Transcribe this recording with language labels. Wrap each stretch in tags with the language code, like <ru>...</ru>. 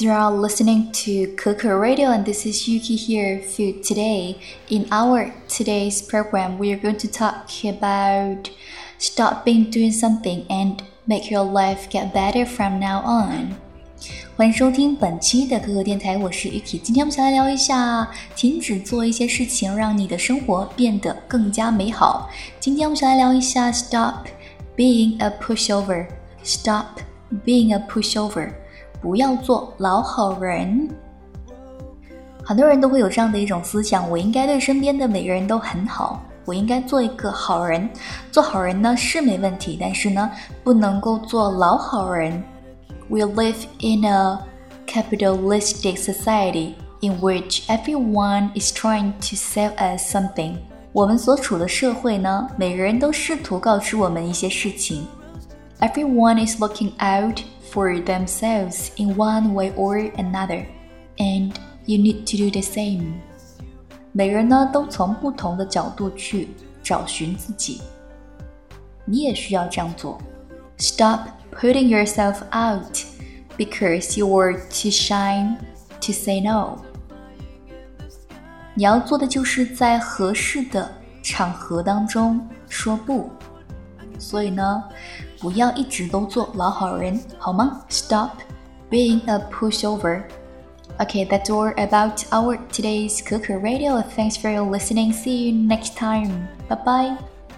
<en>You are listening to Coco Radio, and this is Yuki here for today. In our today's program, we are going to talk about stopping doing something and make your life get better from now on.</en> <zh>欢迎收听本期的Coco电台，我是 Yuki。今天我们想来聊一下，停止做一些事情，让你的生活变得更加美好。今天我们想来聊一下，</zh> <en>stop being a pushover. Stop being a pushover.</en> <zh>不要做老好人。很多人都会有这样的一种思想，我应该对身边的每个人都很好，我应该做一个好人。做好人呢是没问题，但是呢不能够做老好人。</zh> <en>We live in a capitalistic society in which everyone is trying to sell us something.</en> <zh>我们所处的社会呢，每个人都试图告知我们一些事情。</zh> <en>Everyone is looking outfor themselves in one way or another, and you need to do the same.</en> <zh>每人呢都从不同的角度去找寻自己，你也需要这样做。</zh> <en>Stop putting yourself out because you were too shy to say no.</en> <zh>你要做的就是在合适的场合当中说不。所以呢，不要一直都做老好人，好吗？</zh> <en>Stop being a pushover. Okay, that's all about our today's Coco Radio. Thanks for your listening. See you next time. Bye-bye.</en>